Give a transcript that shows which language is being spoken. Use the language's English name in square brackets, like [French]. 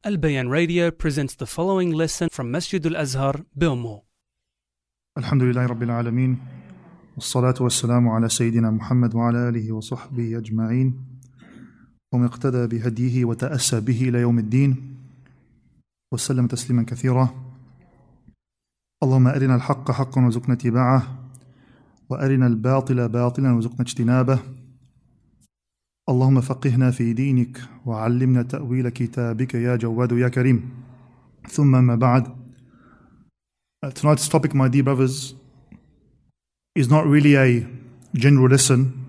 [English] البيان radio presents the following lesson from مسجد الأزهر بأمه. [Arabic] الحمد لله رب العالمين، والصلاة والسلام على سيدنا محمد وعلى آله وصحبه أجمعين، ومن اقتدى بهديه وتأسى به إلى يوم الدين، وسلم تسليما كثيرا. اللهم أرنا الحق حقا وزقنا اتباعه، وأرنا الباطل باطلا وزقنا اجتنابه. اللهم فقهنا في دينك وعلمنا تأويل كتابك يا جواد يا كريم. ثم ما بعد. [English] Tonight's topic, my dear brothers, is not really a general lesson.